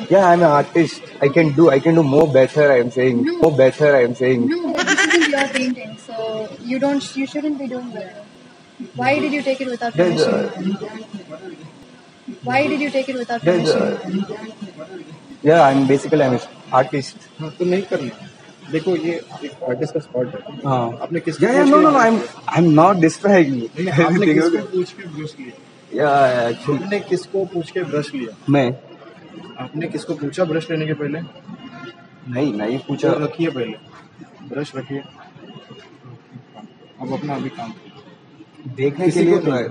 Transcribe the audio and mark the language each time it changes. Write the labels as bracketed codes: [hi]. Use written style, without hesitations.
[en] Yeah, I'm an artist. I can do more better. I am saying no. More better. I am saying no, this isn't your painting, so you shouldn't be doing that. Why did you take it without permission? Why did you take it without permission? Yeah, I'm basically an artist. [hi] तो नहीं करना, देखो ये एक artist का spot है. हाँ, आपने किस [en] yeah, yeah, no, I'm not destroying. [hi] आपने किसको पूछ के brush लिया? Yeah, [en] actually. [hi] आपने किसको पूछ के brush लिया? मैं. आपने किसको पूछा brush लेने के पहले? नहीं पूछा. रखिए पहले. Brush रखिए. अब अपना अभी काम. देखने के लिए तो है.